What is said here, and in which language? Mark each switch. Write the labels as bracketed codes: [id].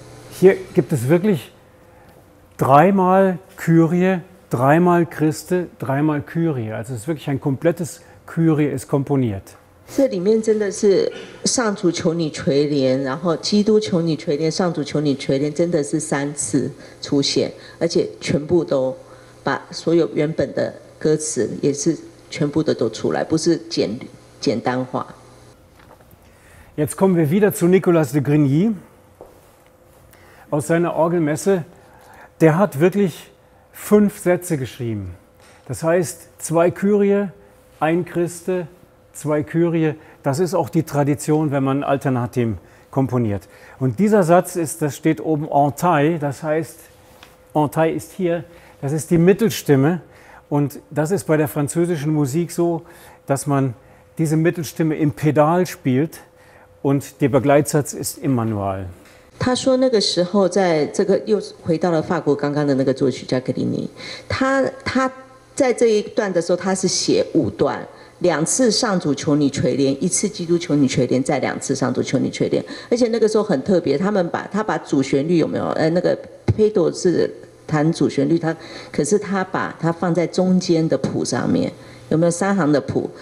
[de] hier gibt es wirklich dreimal Kyrie, dreimal Christe, dreimal Kyrie. Also es ist wirklich ein komplettes Kyrie ist komponiert. [zh] 这里面真的是上主求你垂怜，然后基督求你垂怜，上主求你垂怜，真的是三次出现，而且全部都把所有原本的歌词也是全部的都出来，不是简单化。 [de] Jetzt kommen wir wieder zu Nicolas de Grigny aus seiner Orgelmesse. Der hat wirklich fünf Sätze geschrieben. Das heißt, zwei Kyrie, ein Christe, zwei Kyrie. Das ist auch die Tradition, wenn man Alternativ komponiert. Und dieser Satz ist, das steht oben en taille, das heißt, en taille ist hier, das ist die Mittelstimme. Und das ist bei der französischen Musik so, dass man diese Mittelstimme im Pedal spielt. Und der Begleitsatz ist Immanuel. [zh] 他说那个时候在这个又回到了法国刚刚的那个作曲家格里尼，他在这一段的时候他是写五段，两次上主求你垂怜，一次基督求你垂怜，再两次上主求你垂怜。而且那个时候很特别，他把主旋律有没有？那个 Pedal 是弹主旋律，可是他把它放在中间的谱上面，有没有三行的谱？